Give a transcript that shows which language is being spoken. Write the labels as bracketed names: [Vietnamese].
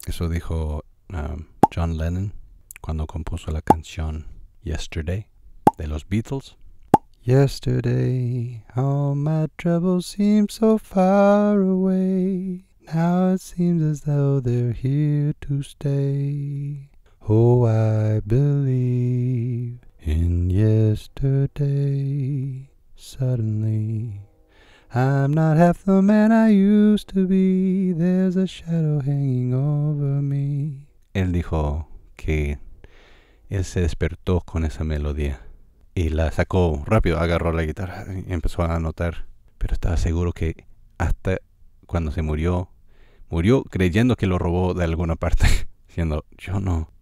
[Spanish] Dijo John Lennon cuando compuso la canción Yesterday de los Beatles. [English] Yesterday, all my troubles seemed so far away. Now it seems as though they're here to stay. Oh, I believe in yesterday. Suddenly, I'm not half the man I used to be. There's a shadow hanging over me. [Spanish] Él dijo que él se despertó con esa melodía y la sacó rápido, agarró la guitarra y empezó a anotar. Pero estaba seguro que hasta cuando se murió, murió creyendo que lo robó de alguna parte, diciendo, yo no.